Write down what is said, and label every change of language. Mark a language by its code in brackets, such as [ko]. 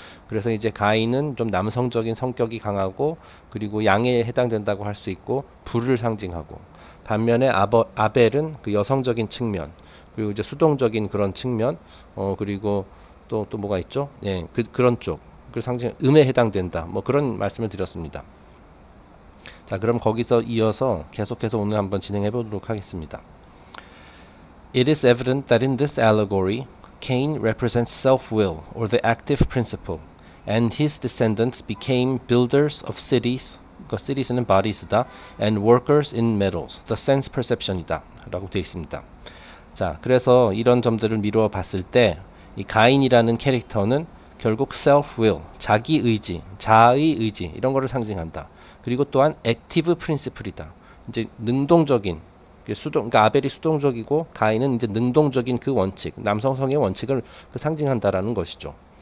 [ko] 그래서 이제 가인은 좀 남성적인 성격이 강하고, 그리고 양에 해당된다고 할수 있고, 불을 상징하고, 반면에 아벨은 그 여성적인 측면, 그리고 이제 수동적인 그런 측면, 그리고 또 뭐가 있죠? 예, 그런 쪽, 그 상징 음에 해당된다, 뭐 그런 말씀을 드렸습니다. 자, 그럼 거기서 이어서 계속해서 오늘 한번 진행해 보도록 하겠습니다. [en] It is evident that in this allegory, Cain represents self-will, or the active principle, and his descendants became builders of cities, [ko] 그 cities는 bodies다, [en] and workers in metals, the sense perception [ko] 이다라고 되어 있습니다. 자, 그래서 이런 점들을 미루어 봤을 때, 이 가인이라는 캐릭터는 결국 self-will, 자기 의지, 자아의 의지 이런 거를 상징한다. 그리고 또한 active principle이다, 이제 능동적인. 그러니까 아벨이 수동적이고 가인은 이제 능동적인 그 원칙, 남성성의 원칙을 상징한다라는 것이죠.